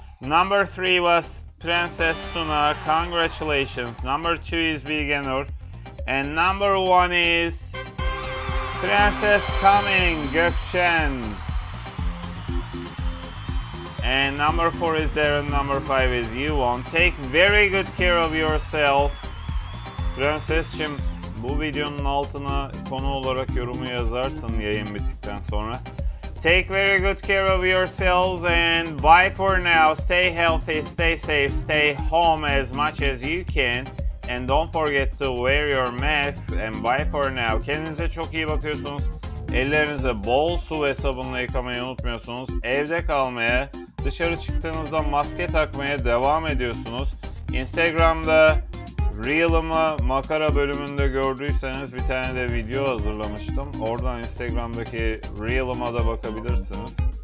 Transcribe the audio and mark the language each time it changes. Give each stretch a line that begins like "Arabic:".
English: Number 3 was Princess Tuna. Congratulations. Number 2 is beginner. And number 1 is Princess Coming, Gökşen. And number 4 is there, and number 5 is you won. Take very good care of yourself.
Turkish: Princess'cim, bu videonun altına konu olarak yorumu yazarsın yayın bittikten sonra.
English: Take very good care of yourselves and bye for now. Stay healthy, stay safe, stay home as much as you can. And don't forget to wear your mask and bye for now.
Turkish: Kendinize çok iyi bakıyorsunuz. Ellerinize bol su ve sabunla yıkamayı unutmuyorsunuz. Evde kalmaya, dışarı çıktığınızda maske takmaya devam ediyorsunuz. Instagram'da Reel'ımı makara bölümünde gördüyseniz bir tane de video hazırlamıştım. Oradan Instagram'daki Reel'ıma da bakabilirsiniz.